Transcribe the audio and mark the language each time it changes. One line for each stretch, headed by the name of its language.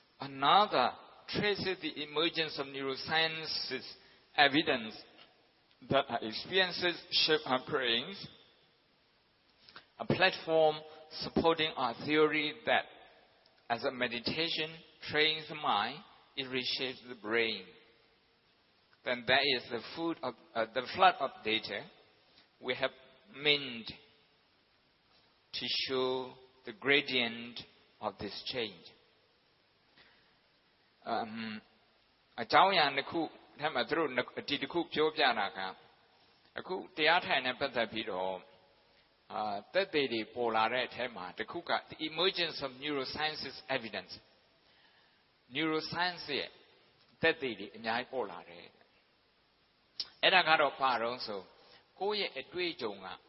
English: traces the emergence of neuroscience's evidence that our experiences shape our brains, a platform supporting our theory that as a meditation trains the mind, it reshapes the brain. Then that is the food of the flood of data we have mined to show the gradient of this change.
Burmese: အကြောင်းအရာတစ်ခုအဲ့မှာသူတို့ဒီတစ်ခုပြောပြတာကအခုတရားထိုင်နေပတ်သက်ပြီးတော့သက်သေတွေပေါ်လာတဲ့အထဲမှာတစ်ခုကဒီ
English: emergence of neuroscience's evidence
Burmese: neuroscience ရဲ့သက်သေတွေအများကြီးပေါ်လာတယ်အဲ့ဒါကတော့ပါတော့ဆိုကိုယ့်ရဲ့အတွေ့အကြုံက